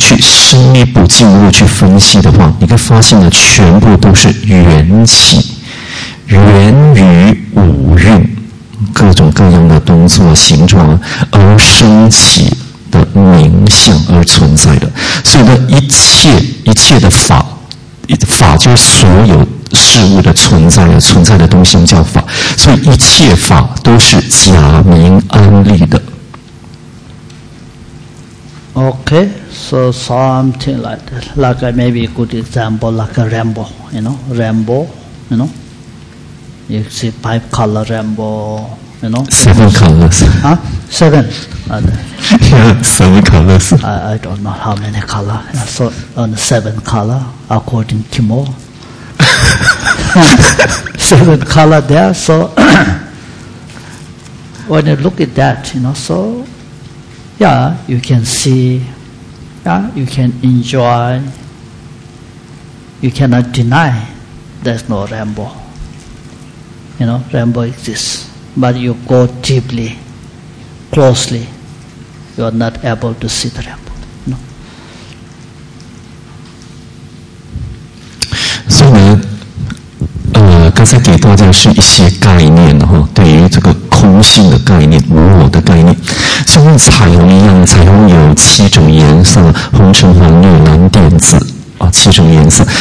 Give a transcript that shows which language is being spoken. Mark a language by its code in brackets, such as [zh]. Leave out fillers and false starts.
[zh] 去深一步进入去分析的话，你会发现呢，全部都是缘起，源于五蕴各种各样的动作形状而升起的名相而存在的。所以呢，一切的法，法就是所有事物的存在，存在的东西叫法。所以一切法都是假名安立的。 [en] Okay, so something like that, like maybe a good example, like a rainbow, you know, rainbow, you know, you see five color rainbow, you know. Seven colors. Huh? Seven. Yeah, seven colors. I don't know how many colors. So, on seven color, according to Kimo. Seven color there, so, when you look at that, you know, so,Yeah, you can see, yeah, you can enjoy, you cannot deny there's no rainbow. You know, rainbow exists. But you go deeply, closely, you are not able to see the rainbow. No. [zh] So, 刚才给大家是一些概念哈，对于这个空性的概念、无我的概念，像彩虹一样，彩虹有七种颜色，红、橙、黄、绿、蓝、靛、紫啊，七种颜色。